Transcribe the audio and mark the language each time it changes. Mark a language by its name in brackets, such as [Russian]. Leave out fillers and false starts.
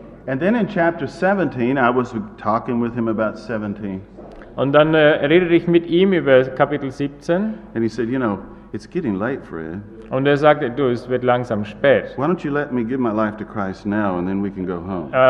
[English] And then in chapter 17, I was talking with him about 17. [German] Und dann redete ich mit ihm über Kapitel 17. [English] And he said, you know, it's getting late, Fred. [German] Und sagte, du, es wird langsam spät. [English] Why don't you let me give my life to Christ now, and then we can go home.